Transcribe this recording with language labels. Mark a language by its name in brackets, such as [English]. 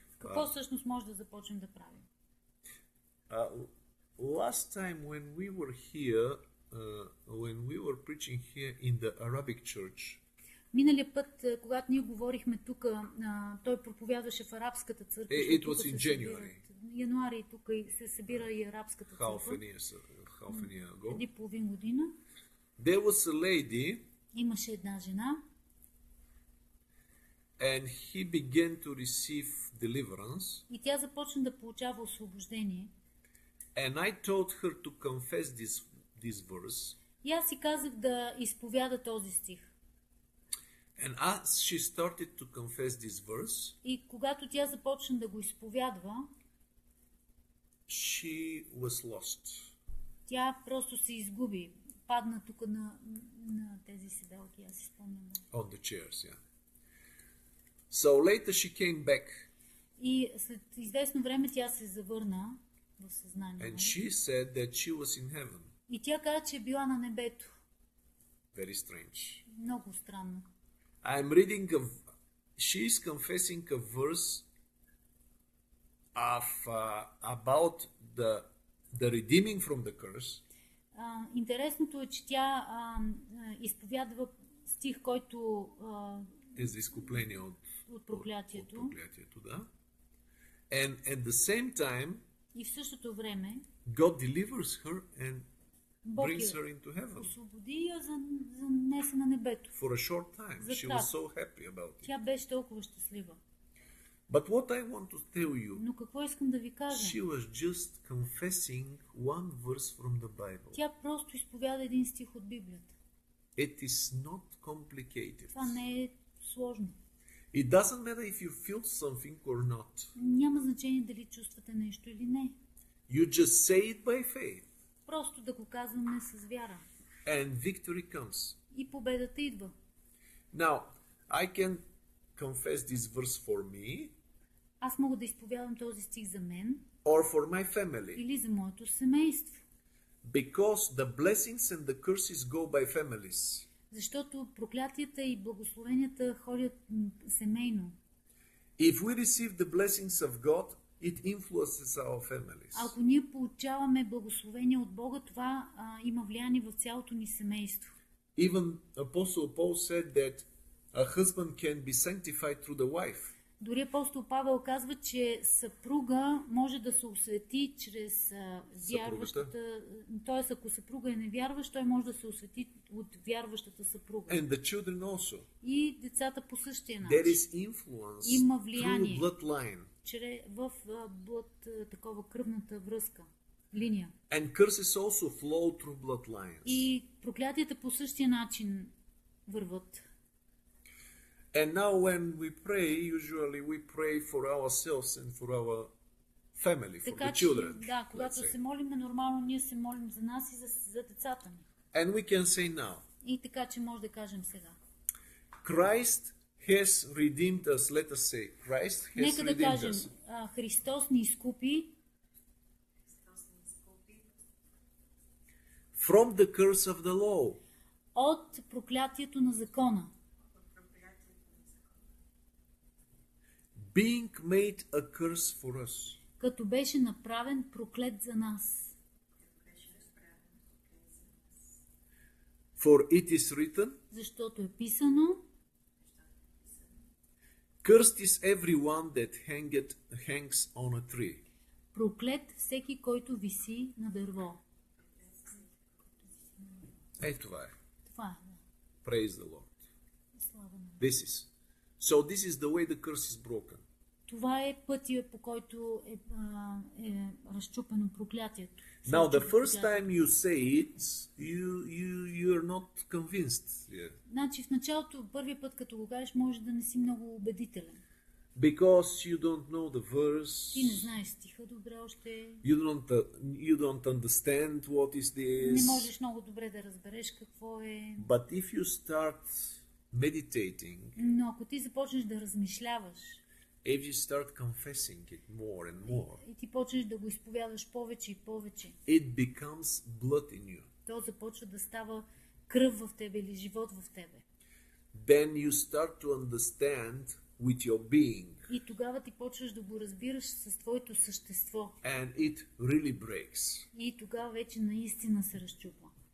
[Bulgarian] Какво всъщност може да започнем да правим? [English] Last time when we were here, when we were preaching here in the Arabic church. [Bulgarian] Миналия път, когато ние говорихме тук, той проповядваше в арабската църква. [English] It was in January. [Bulgarian] Януари тук се събира и арабската църква. [English] Half a year ago. [Bulgarian] Преди половин година. [English] There was a lady. [Bulgarian] Имаше една жена. [English] And he began to receive deliverance. [Bulgarian] И тя започна да получава освобождение. [English] And I told her to confess this verse. [Bulgarian] И аз си казах да изповяда този стих. [English] And as she started to confess this verse, [Bulgarian] и когато тя започна да го изповядва, [English] she was lost. [Bulgarian] Тя просто се изгуби. Падна тук на тези седалки, аз си спомням. [English] On the chairs, yeah. So later she came back. [Bulgarian] И след известно време тя се завърна в съзнание. [English] And she said that she was in heaven. [Bulgarian] И тя каза, че е била на небето. [English] Very strange. [Bulgarian] Много странно. [English] I am reading of she is confessing a verse of about the redeeming from the curse. [Bulgarian] Интересното е, че тя изповядва стих, който е за изкупление от проклятието. От проклятието, да. [English] And at the same time, [Bulgarian] и в същото време, [English] God delivers her and brings her into heaven. [Bulgarian] Освободи я, занесе на небето. [English] For a short time, she was so happy about it. [Bulgarian] Тя беше толкова щастлива. [English] But what I want to tell you, [Bulgarian] но какво искам да ви кажа? [English] She was just confessing one verse from the Bible. [Bulgarian] Тя просто изповяда един стих от Библията. [English] It is not complicated. [Bulgarian] Това не е сложно. [English] It doesn't matter if you feel something or not. [Bulgarian] Няма значение дали чувствате нещо или не. [English] You just say it by faith. [Bulgarian] Просто да го казваме с вяра. [English] And victory comes. [Bulgarian] И победата идва. [English] Now, I can confess this verse for me. [Bulgarian] Аз мога да изповядам този стих за мен. [English] Or for my family. [Bulgarian] Или за моето семейство. [English] Because the blessings and the curses go by families. [Bulgarian] Защото проклятията и благословенията ходят семейно. [English] If we receive the blessings of God, it influences our families. [Bulgarian] Ако ние получаваме благословение от Бога, това има влияние в цялото ни семейство. [English] Even Apostle Paul said that a husband can be sanctified through the wife. [Bulgarian] Дори апостол Павел казва, че съпруга може да се освети чрез вярващата. Т.е. ако съпруга е невярващ, той може да се освети от вярващата съпруга. [English] And the children also. [Bulgarian] И децата по същия начин. [English] There is influence. [Bulgarian] Има влияние [English] through bloodline. [Bulgarian] Чрез в блод такова кръвната връзка, линия. [English] And curses also flow through bloodlines. [Bulgarian] И проклятията по същия начин върват. [English] And now when we pray, usually we pray for ourselves and for our family, for [Bulgarian] така, [English] the children. [Bulgarian] Да, когато се молим, нормално ние се молим за нас и за децата ни. [English] And we can say now. [Bulgarian] И така, че може да кажем сега. [English] Christ has redeemed us, let us say. Christ has [Bulgarian] нека [English] redeemed [Bulgarian] да кажем, [English] us. [Bulgarian] Христос ни изкупи. [English] From the curse of the law. [Bulgarian] От проклятието на закона. [English] Being made a curse for us. [Bulgarian] Като беше направен проклет за нас. [English] For it is written. [Bulgarian] Защото е писано. [English] Cursed is everyone that hangs on a tree. [Bulgarian] Проклет всеки, който виси на дърво. Ей, това е. Това е. [English] Praise the Lord. This is. So this is the way the curse is broken. [Bulgarian] Това е пътя, по който е разчупено проклятието. [English] Now the first time you say it, you are not convinced. Yeah. [Bulgarian] Значи в началото, първия път като го кажеш, може да не си много убедителен. [English] Because you don't know the verse. [Bulgarian] Ти не знаеш стиха добре още. [English] You don't understand what is this. [Bulgarian] Не можеш много добре да разбереш какво е. [English] But if you start meditating. [Bulgarian] Но ако ти започнеш да размишляваш, [English] if you start confessing it more and more, [Bulgarian] и ти почнеш да го изповядаш повече и повече, [English] it becomes blood in you. [Bulgarian] То започва да става кръв в тебе или живот в тебе. [English] Then you start to understand with your being. [Bulgarian] И тогава ти почваш да го разбираш с твоето същество. [English] And it really breaks. [Bulgarian] И тогава вече наистина се разчупва.